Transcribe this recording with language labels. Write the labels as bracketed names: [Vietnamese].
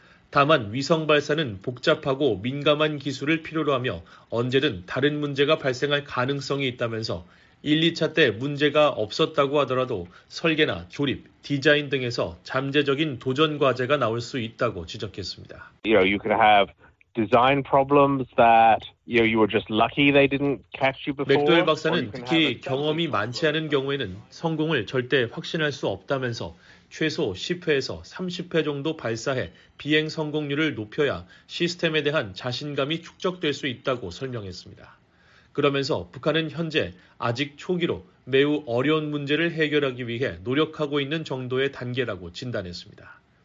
[Korean] 다만 위성 발사는 복잡하고 민감한 기술을 필요로 하며 언제든 다른 문제가 발생할 가능성이 있다면서 1, 2차 때 문제가 없었다고 하더라도 설계나 조립, 디자인 등에서 잠재적인 도전 과제가 나올 수 있다고 지적했습니다. [English] You could have design problems that you were just lucky they didn't catch you before. [Korean] 맥도웰 박사는 특히 경험이 많지 않은 경우에는 성공을 절대 확신할 수 없다면서 최소 10회에서 30회 정도 발사해 비행 성공률을 높여야 시스템에 대한 자신감이 축적될 수 있다고 설명했습니다. 그러면서 북한은 현재 아직 초기로 매우 어려운 문제를 해결하기 위해 노력하고 있는 정도의 단계라고 진단했습니다.